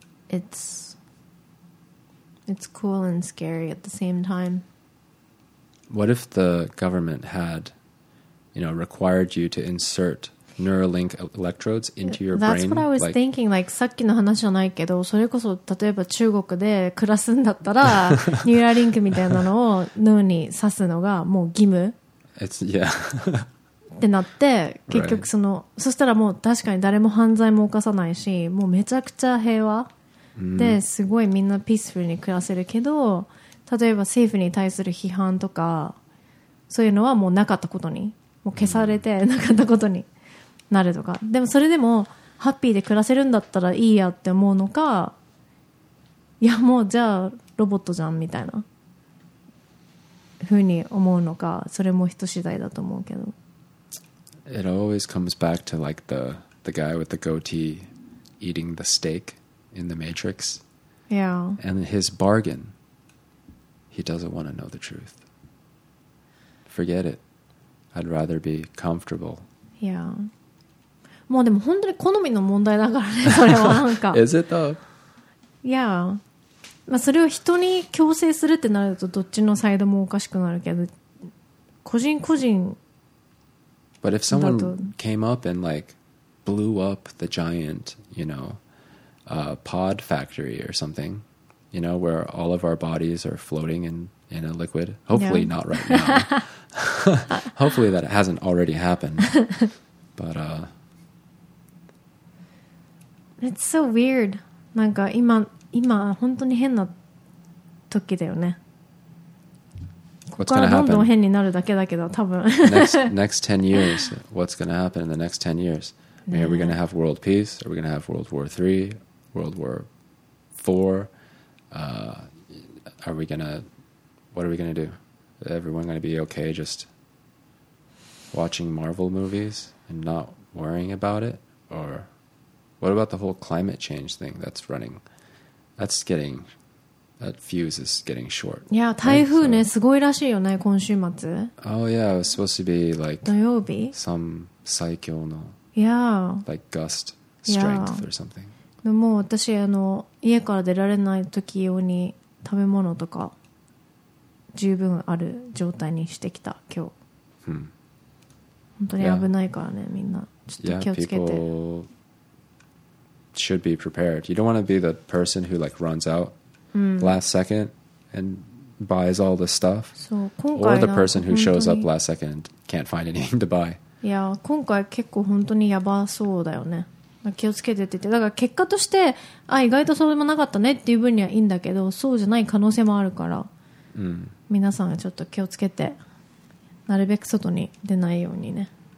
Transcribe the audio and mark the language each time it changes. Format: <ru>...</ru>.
<en>It's cool and scary at the same time. What if the government had, you know, required you to insert Neuralink electrodes into your That's brain? That's what I was like, thinking.</en> <ja>Like, さっきの話じゃないけど、それこそ例えば中国で暮らすんだったら、ニューラリンクみたいなのを脳に刺すのがもう義務。</ja> <en>It's, yeah.</en> <ja>ってなって結局その、right. そしたらもう確かに誰も犯罪も犯さないし、もうめちゃくちゃ平和、mm. ですごいみんなピースフルに暮らせるけど、例えば政府に対する批判とかそういうのはもうなかったことに、もう消されてなかったことになるとか、でもそれでもハッピーで暮らせるんだったらいいやって思うのか、いやもうじゃあロボットじゃんみたいなふうに思うのか、それも人次第だと思うけど。</ja> <en>It always comes back to like the guy with the goatee eating the steak in the Matrix. Yeah. And his bargain. He doesn't want to know the truth. Forget it. I'd rather be comfortable. Yeah.</en> <ja>もうでも本当に好みの問題だからね、それはなんか。</ja> <en>Is it though? Yeah.</en> <ja>まあそれを人に強制するってなるとどっちのサイドもおかしくなるけど、個人個人。</ja> <en>But if someone came up and like blew up the giant, you know, pod factory or something, you know, where all of our bodies are floating in a liquid. Hopefully yeah. not right now. Hopefully that hasn't already happened. But it's so weird.</en> <ja>なんか今本当に変な時だよね。</ja> <en>What's going to happen?</en> <ja>どんどん変になるだけだけど、多分。</ja> <en>next 10 years, what's going to happen in the next 10 years? I mean, are we going to have world peace? Are we going to have World War III? World War IV? What are we going to do? Is everyone going to be okay just watching Marvel movies and not worrying about it? Or what about the whole climate change thing that's running? That fuse is getting short.</en> <ja>Yeah, 台風ね、すごいらしいよね、今週末。</ja> <en>Oh yeah, it was supposed to be like</en> <ja>土曜日? Some 最強の</ja> <en>Yeah. Like gust strength yeah. or something.</en> <ja>でも私家から出られない時用に食べ物とか十分ある状態にしてきた、今日。 Hmm. 本当に危ないからね、みんな。ちょっと気をつけて。</ja> <en>Yeah, people should be prepared. You don't want to be the person who like runs out. Last second and buys all the stuff.</en> <ja>そう、</ja> <en>今回は、 or the person who shows up last second can't find anything to buy.</en> <ja>いや、今回結構本当にやばそうだよね。気をつけてって言って、だから結果として、あ、意外とそうでもなかったねっていう分にはいいんだけど、そうじゃない可能性もあるから、うん、皆さんはちょっと気をつけて、なるべく外に出ないようにね。</ja>